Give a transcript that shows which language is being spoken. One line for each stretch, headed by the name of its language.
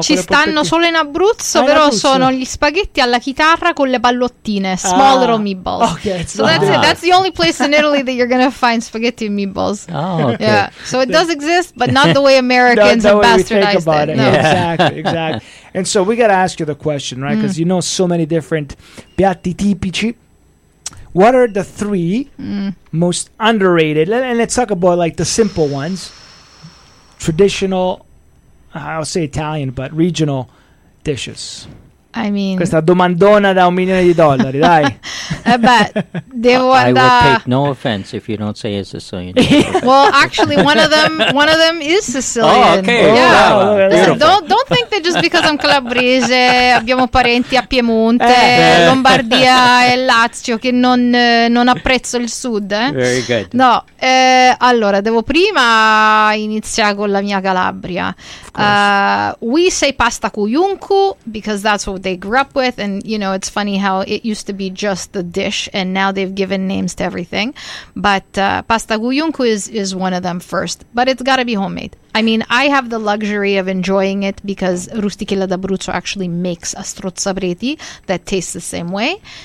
Italian: ci stanno solo in Abruzzo, però sono gli spaghetti alla chitarra con le pallottine,
English: small little meatballs. Okay, so that's it. That's the only place in Italy that you're gonna find spaghetti and meatballs. Oh, okay. Yeah, so it does exist, but not the way Americans have bastardized about it. No. Yeah. Exactly. And so we got to ask you the question, right? Because you know so many different piatti tipici. What are the three most underrated? And let's talk about like the simple ones. Traditional, I'll say Italian, but regional dishes. I mean,
Italian: questa domandona da $1 million, dai. Beh, devo andare.
English: I will take no offense if you don't say it's Sicilian. Well, actually, one of them is Sicilian. Oh, okay. Yeah. Oh, wow. Listen, don't think that just because I'm
Italian: calabrese, abbiamo parenti a Piemonte, Lombardia e Lazio, che non apprezzo il sud.
English: Very good.
Italian: No, allora devo prima iniziare con la mia Calabria.
English: We say pasta cuyuncu because that's what they grew up with, and you know, it's funny how it used to be just the dish and now they've given names to everything, but pasta cuyuncu is one of them first, but it's got to be homemade. I mean, I have the luxury of enjoying it because Rustichella d'Abruzzo actually makes a strozzabreti that tastes the same way.